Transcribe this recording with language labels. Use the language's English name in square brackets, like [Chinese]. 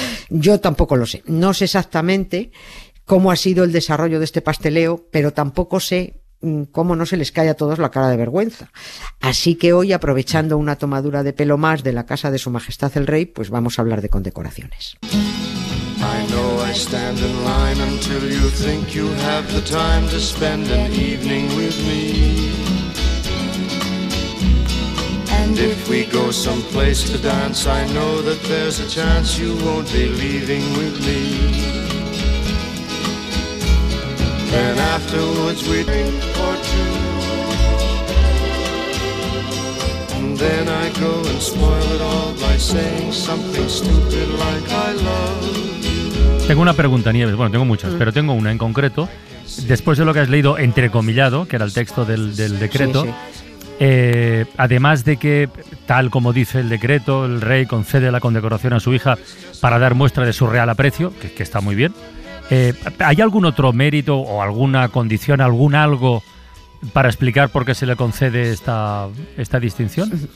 [Spanish] Yo tampoco lo sé. No sé exactamente cómo ha sido el desarrollo de este pasteleo, pero tampoco sé cómo no se les cae a todos la cara de vergüenza. Así que hoy, aprovechando una tomadura de pelo más de la casa de Su Majestad el Rey, pues vamos a hablar de condecoraciones. [English] I know I stand in line until you think you have the time to spend an evening with me. And if we go someplace to dance, I know that there's a chance you won't be leaving with me. Then afterwards we drink or two. And then I go and spoil it all by saying something stupid like I love. [Spanish] Tengo una pregunta, Nieves. Bueno, tengo muchas, pero tengo una en concreto. Después de lo que has leído, entrecomillado, que era el texto del decreto, además de que, tal como dice el decreto, el rey concede la condecoración a su hija para dar muestra de su real aprecio, que está muy bien, ¿hay algún otro mérito o alguna condición, algún algo para explicar por qué se le concede esta distinción?